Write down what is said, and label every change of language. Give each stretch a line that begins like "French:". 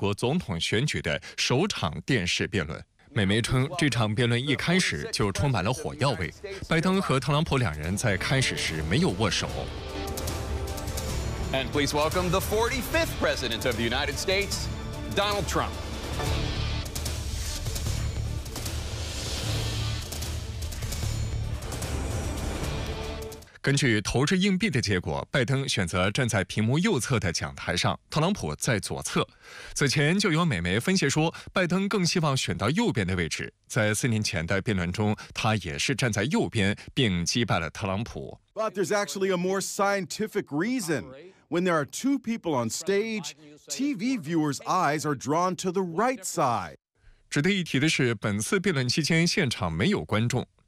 Chinese: 美国总统选举首场电视辩论今天正式拉开帷幕，这也是拜登和特朗普时隔4年再次面对面交锋。这场暌违许久的对决聚焦了全球的热点。美国东部时间27号晚9点，北京时间今天早上9点，拜登和特朗普在美国有线电视新闻网位于亚特兰大的演播厅展开了2024年美国总统选举的首场电视辩论。美媒称，这场辩论一开始就充满了火药味。拜登和特朗普两人在开始时没有握手。
English: And please welcome the 45th president of the United States, Donald Trump.
Chinese: 根据投掷硬币的结果，拜登选择站在屏幕右侧的讲台上，特朗普在左侧。此前就有美媒分析说，拜登更希望选到右边的位置。在4年前的辩论中，他也是站在右边并击败了特朗普。
English: But there's actually a more scientific reason. When there are two people on stage, TV viewers' eyes are drawn to the right side.
Chinese: 值得一提的是，本次辩论期间现场没有观众。